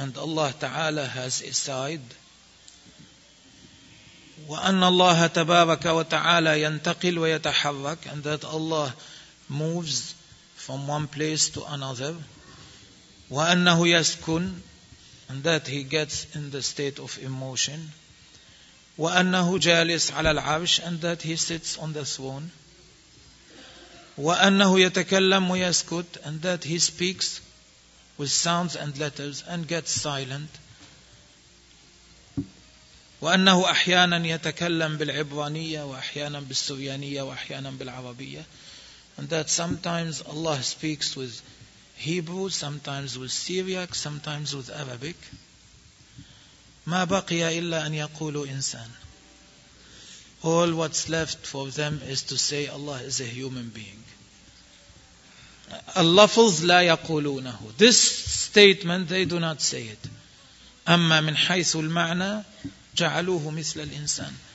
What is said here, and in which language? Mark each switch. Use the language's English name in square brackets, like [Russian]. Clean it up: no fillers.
[English] And Allah [Arabic] تعالى [English] has a side. [Arabic] وأن الله تبارك وتعالى ينتقل ويتحرك. [English] And that Allah moves from one place to another. [Arabic] وأنه يسكن. [English] And that he gets in the state of emotion. [Arabic] وأنه جالس على العرش [English] and that he sits on the throne. [Arabic] وأنه يتكلم ويسكت [English] and that he speaks with sounds and letters and gets silent. [Arabic] وأنه أحيانا يتكلم بالعبرانية وأحيانا بالسريانية وأحيانا بالعربية. [English] And that sometimes Allah speaks with Hebrew, sometimes with Syriac, sometimes with Arabic. [Arabic] ما بقي إلا أن يقول إنسان. [English] All what's left for them is to say Allah is a human being. [Arabic] اللفظ لا يقولونه. [English] This statement, they do not say it. [Arabic] أما من حيث المعنى جعلوه مثل الإنسان.